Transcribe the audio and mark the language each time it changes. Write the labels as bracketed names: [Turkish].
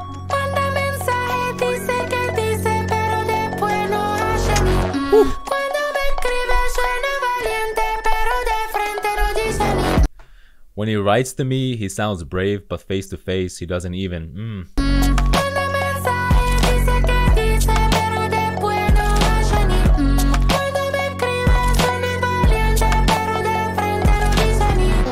[Spanish] Manda mensaje, dice que dice, pero después no hace ni. Cuando me escribe suena valiente, pero de frente no dice ni. [English] When he writes to me, he sounds brave, but face to face, he doesn't even. [Spanish] Manda mensaje, dice que dice, pero después no hace ni. Cuando me escribe suena valiente, pero de frente no dice ni.